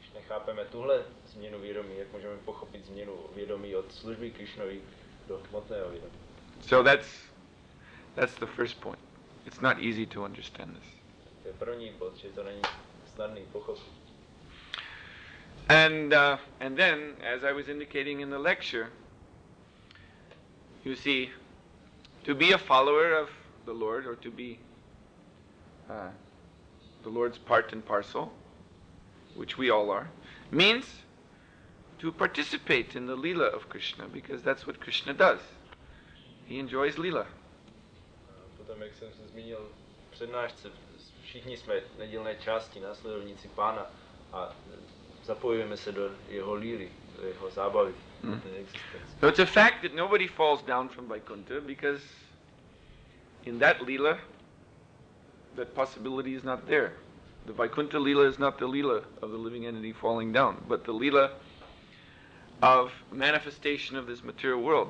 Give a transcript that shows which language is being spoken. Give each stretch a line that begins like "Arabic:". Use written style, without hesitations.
Czech: chápeme tuhle změnu vědomí, jak můžeme pochopit změnu vědomí od služby Krišnovi do hmotného vědomí.
English: So that's the first point. It's not easy to understand this.
Czech: To je první bod, že to není snadný pochopit.
English: And then, as I was indicating in the lecture, you see, to be a follower of the Lord, or to be the Lord's part and parcel, which we all are, means to participate in the Leela of Krishna, because that's what Krishna does. He enjoys Leela.
Czech: Potom, jak jsem se zmínil v přednášce, všichni jsme nedílné části, následovníci Pána, a zapojujeme se do jeho líly, do jeho zábavy.
English: So it's a fact that nobody falls down from Vaikuntha, because in that Leela, that possibility is not there. The Vaikuntha Leela is not the Leela of the living entity falling down, but the Leela of manifestation of this material world.